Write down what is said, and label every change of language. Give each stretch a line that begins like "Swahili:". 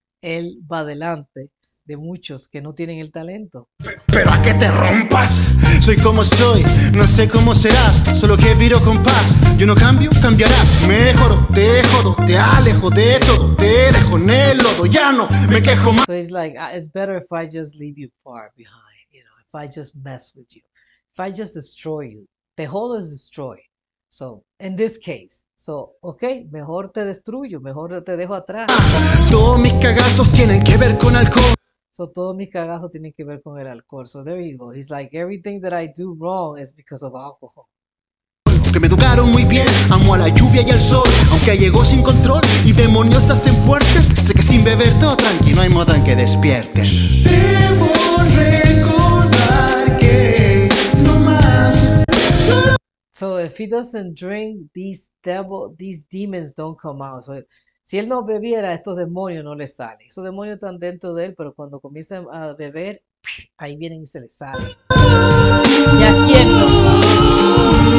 Spanish: Él va adelante de muchos que no tienen el talento. Pero a que te rompas. Soy como soy. No sé cómo serás. Solo que viro con paz. Yo no cambio, cambiarás. Mejoro, te jodo, te alejo de todo. Te dejo en el lodo, ya no me quejo más.
English: So he's like, it's better if I just leave you far behind. You know, if I just mess with you. If I just destroy you.
Spanish: Te jodo es
English: destroy. So, in this case.
Spanish: So, okay, mejor te destruyo. Mejor te dejo atrás. Todos mis cagazos tienen que ver con alcohol. So, todos mis cagazos tienen que ver con el alcohol.
English: So, there you go. He's like, everything that I do wrong is because of alcohol.
Spanish: Que me educaron muy bien, amo a la lluvia y al sol. Aunque llegó sin control y demonios se hacen fuertes. Sé que sin beber todo tranqui, no hay modo en que despiertes. Debo recordar que no más.
English: So, if he doesn't drink, these demons don't come out.
Spanish: So, si él no bebiera, estos demonios no le salen. Esos demonios están dentro de él, pero cuando comienzan a beber, ahí vienen y se les salen. Y a quién no.